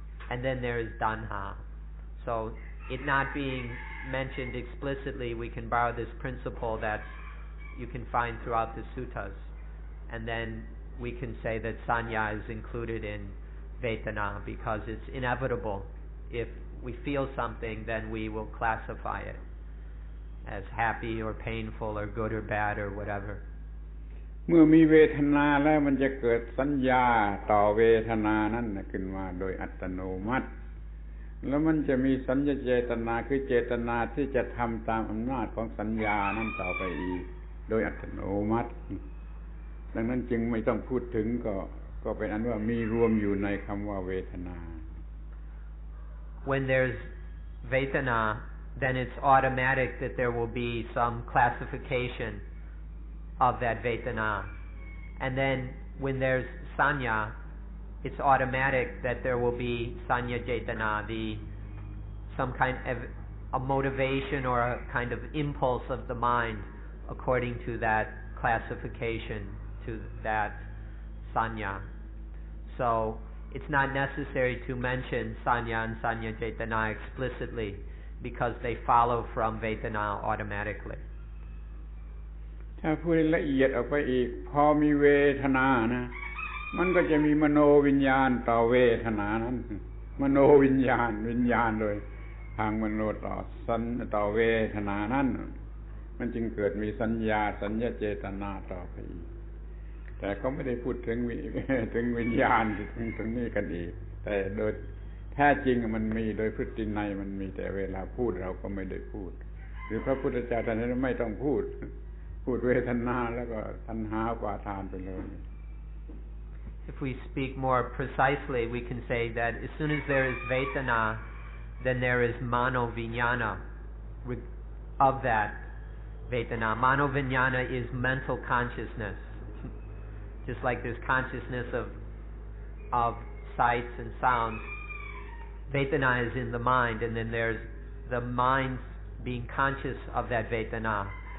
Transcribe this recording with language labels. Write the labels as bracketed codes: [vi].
[en] And then there is dhanha. So it not being mentioned explicitly, we can borrow this principle that you can find throughout the suttas. And then we can say that sanya is included in vetana because it's inevitable. If we feel something, then we will classify it as happy or painful or good or bad or whatever. [th] เมื่อมีเวทนาแล้วมันจะเกิดสัญญาต่อเวทนานั้นขึ้นมาโดยอัตโนมัติแล้วมันจะมีสัญญาเจตนาคือเจตนาที่จะทำตามอำนาจของสัญญานั้นต่อไปอีกโดยอัตโนมัติดังนั้นจึงไม่ต้องพูดถึงก็เป็นอันว่ามีรวมอยู่ในคำว่าเวทนา [en] When there's vetana then it's automatic that there will be some classification of that vetana and then when there's sanya it's automatic that there will be sanya cetana the some kind of a motivation or a kind of impulse of the mind according to that classification to that sanya So it's not necessary to mention sanya and sanya cetana explicitly because they follow from vetana automatically. [th] ถ้าพูดละเอียดออกไปอีกพอมีเวทนานะมันก็จะมีมโนวิญญาณต่อเวทนานั้นมโนวิญญาณวิญญาณเลยทางมโนต่อสันต่อเวทนานั้นมันจึงเกิดมีสัญญาสัญญาเจตนาต่อไปอีก แต่เขาไม่ได้พูดถึงวิญญาณถึงนี่กันอีกแต่โดยแท้จริงมันมีโดยพฤตินัยมันมีแต่เวลาพูดเราก็ไม่ได้พูดหรือพระพุทธเจ้าท่านไม่ต้องพูดเวทนาแล้วก็ตัณหาอุปาทานไปเลย [en] If we speak more precisely we can say that as soon as there is vetana then there is mano vijnana of that vetana mano vijnana is mental consciousness Just like there's consciousness of sights and sounds, vetana is in the mind, and then there's the mind being conscious of that vetana.